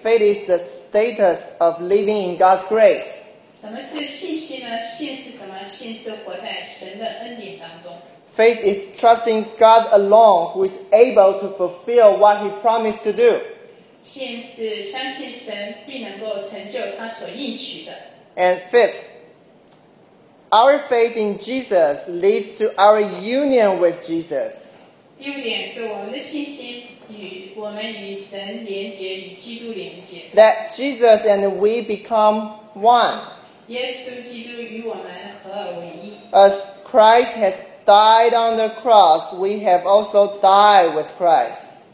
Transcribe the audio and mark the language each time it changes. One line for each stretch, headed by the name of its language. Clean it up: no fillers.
English: Faith is the status of living in God's grace.
Chinese: 什么是信心呢？信是什么？信是活在神的恩典当中。
English: Faith is trusting God alone who is able to fulfill what He promised to do.
Chinese: 信是相信神必能够成就他所应许的。
English: And fifth, our faith in Jesus leads to our union with Jesus.
Chinese: 第五点是我们的信心。与我们与神连结，与基督连结。
English: That Jesus and we become one.
Chinese: 耶稣基督与我们合而为一。
English: As Christ has died on the cross, we have also died with Christ.